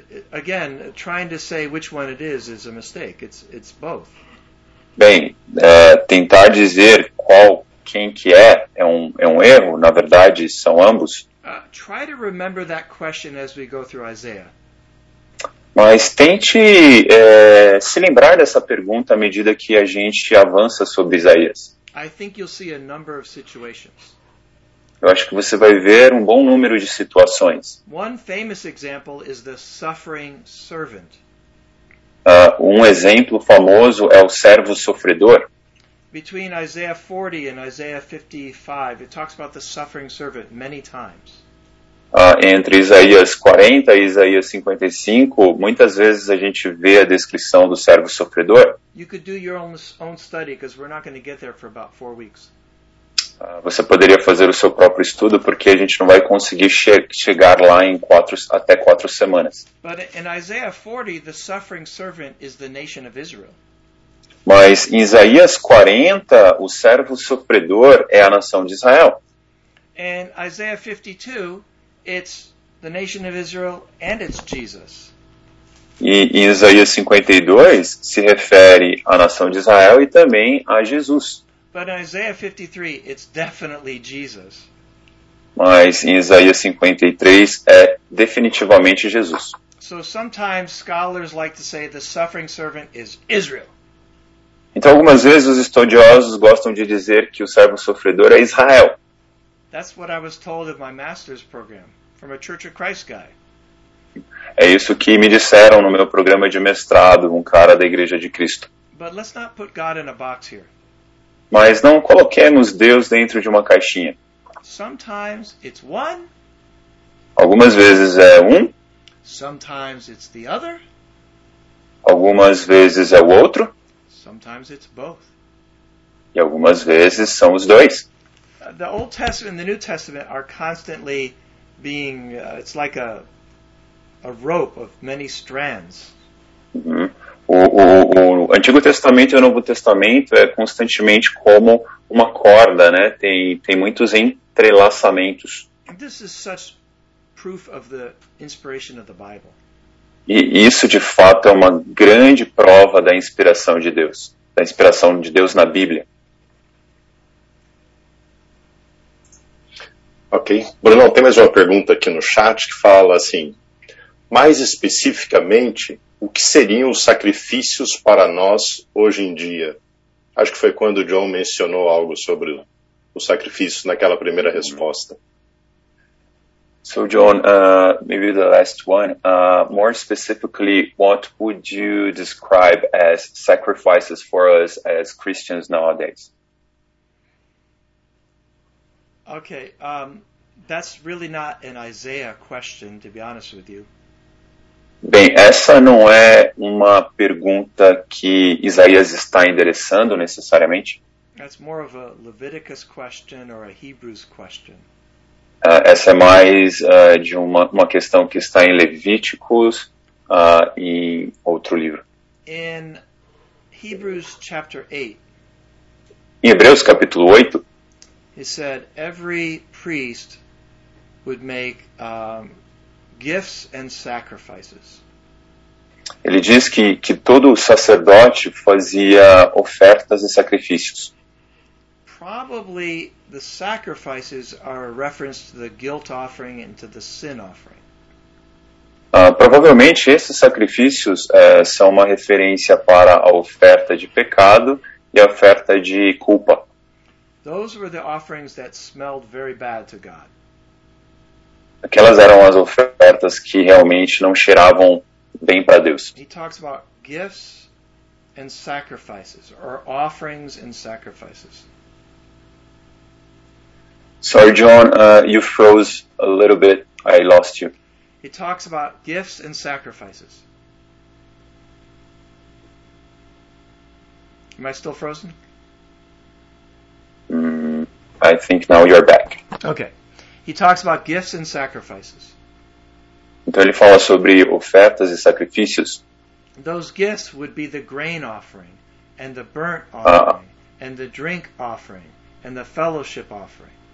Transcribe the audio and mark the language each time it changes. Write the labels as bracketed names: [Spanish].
[English] Again, trying to say which one it is a mistake. It's both. [Portuguese] Bem, tentar dizer quem que é um erro. Na verdade, são ambos. [English] Try to remember that question as we go through Isaiah. [Portuguese] Mas tente se lembrar dessa pergunta à medida que a gente avança sobre Isaías. [English] I think you'll see a number of situations. [Portuguese] Eu acho que você vai ver um bom número de situações. [English] One famous example is the suffering servant. [Portuguese] Um exemplo famoso é o servo sofredor. [English] Between Isaiah 40 and Isaiah 55, it talks about the suffering servant many times. [Portuguese] Entre Isaías 40 e Isaías 55, muitas vezes a gente vê a descrição do servo sofredor. [English] You could do your own study, because we're not going to get there for about 4 weeks. [Portuguese] Você poderia fazer o seu próprio estudo, porque a gente não vai conseguir chegar lá em até quatro semanas. [English] But in Isaiah 40, the suffering servant is the nation of Israel. [Portuguese] Mas em Isaías 40, o servo sofredor é a nação de Israel. [English] And Isaiah 52, it's the nation of Israel and it's Jesus. [Portuguese] E em Isaías 52, se refere à nação de Israel e também a Jesus. [English] But in Isaiah 53, it's definitely Jesus. [Portuguese] Mas em Isaías 53, é definitivamente Jesus. [English] So sometimes scholars like to say the suffering servant is Israel. [Portuguese] Então, algumas vezes, os estudiosos gostam de dizer que o servo sofredor é Israel. [English] That's what I was told in my master's program, from a Church of Christ guy. [Portuguese] É isso que me disseram no meu programa de mestrado, um cara da Igreja de Cristo. [English] But let's not put God in a box here. [Portuguese] Mas não coloquemos Deus dentro de uma caixinha. [English] Sometimes it's one. [Portuguese] Algumas vezes é um. [English] Sometimes it's the other. [Portuguese] Algumas vezes é o outro. [English] Sometimes it's both. [Portuguese] E algumas vezes são os dois. [English] The Old Testament and the New Testament are constantly being, it's like a rope of many strands. [Portuguese] O Antigo Testamento e o Novo Testamento é constantemente como uma corda, né? Tem muitos entrelaçamentos. [English] This is such proof of the inspiration of the Bible. [Portuguese] E isso, de fato, é uma grande prova da inspiração de Deus. Da inspiração de Deus na Bíblia. [English] Ok. [Portuguese] Bruno, tem mais uma pergunta aqui no chat que fala assim, mais especificamente, o que seriam os sacrifícios para nós hoje em dia? Acho que foi quando o John mencionou algo sobre os sacrifícios naquela primeira resposta. [English] So, John, maybe the last one. More specifically, what would you describe as sacrifices for us as Christians nowadays? Okay, that's really not an Isaiah question, to be honest with you. [Portuguese] Bem, essa não é uma pergunta que Isaías está endereçando necessariamente. [English] That's more of a Leviticus question or a Hebrews question. [Portuguese] Essa é mais de uma questão que está em Levíticos e em outro livro. [English] In Hebrews chapter 8. [Portuguese] Em Hebreus capítulo 8. [English] He said every priest would make gifts and sacrifices. [Portuguese] Ele diz que todo sacerdote fazia ofertas e sacrifícios. [English] Probably the sacrifices are a reference to the guilt offering and to the sin offering. [Portuguese] Provavelmente esses sacrifícios são uma referência para a oferta de pecado e a oferta de culpa. [English] Those were the offerings that smelled very bad to God. [Portuguese] Aquelas eram as ofertas que realmente não cheiravam bem para Deus. [English] He talks about gifts and sacrifices, or offerings and sacrifices. Sorry, John, you froze a little bit. I lost you. He talks about gifts and sacrifices. Am I still frozen? I think now you're back. Okay. He talks about gifts and sacrifices. [Portuguese] Então ele fala sobre ofertas e sacrifícios. [English] Those gifts would be the grain offering, and the burnt offering, and the drink offering, and the fellowship offering.